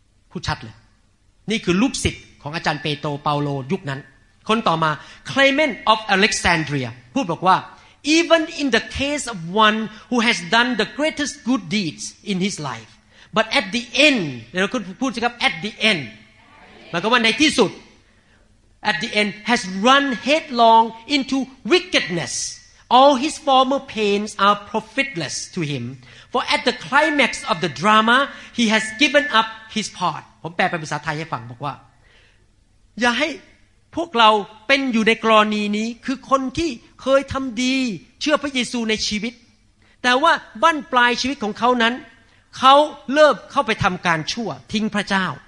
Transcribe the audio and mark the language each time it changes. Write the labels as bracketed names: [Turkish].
[Thai] พูดชัดเลยนี่คือลูกศิษย์ของอาจารย์เปโตรเปาโลยุคนั้นคนต่อมา [English] Clement of Alexandria [Thai] พูดบอกว่า [English] even in the case of one who has done the greatest good deeds in his lifeBut at the end, [Thai] เราพูดสิครับ [English] at the end [Thai] หมายความว่าในที่สุด [English] at the end has run headlong into wickedness. All his former pains are profitless to him. For at the climax of the drama, he has given up his part. [Thai] ผมแปลเป็นภาษาไทยให้ฟังบอกว่าอย่าให้พวกเราเป็นอยู่ในกรณีนี้คือคนที่เคยทำดีเชื่อพระเยซูในชีวิตแต่ว่าบั้นปลายชีวิตของเขานั้นเขาเลิกเข้าไปทำการชั่วทิ้งพระเจ้า